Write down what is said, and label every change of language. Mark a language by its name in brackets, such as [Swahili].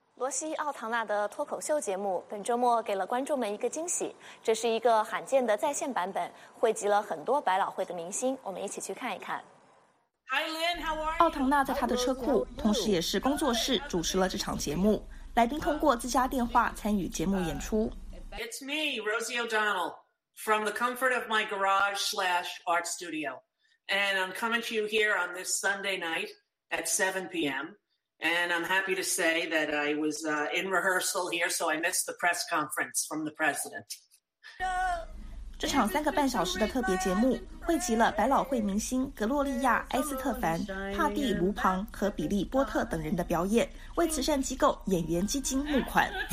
[Chinese] 西·奥唐纳的脱口秀节目本周末给了观众们一个惊喜，这是一个罕见的在线版本，汇集了很多百老汇的明星，我们一起去看一看。 [English] Hi Lynn, how are you? [Chinese] 奥唐纳在他的车库同时也是工作室主持了这场节目，来宾通过自家电话参与节目演出。 [English] It's me, Rosie O'Donnell, from the comfort of my garage / art studio, and I'm coming to you here on this Sunday night at 7 p.m. And I'm happy to say that I was in rehearsal here, so I missed the press conference from the president. [Chinese] 这场三个半小时的特别节目汇集了百老汇明星格洛丽亚·埃斯特凡、帕蒂·卢庞和比利·波特等人的表演，为慈善机构演员基金募款。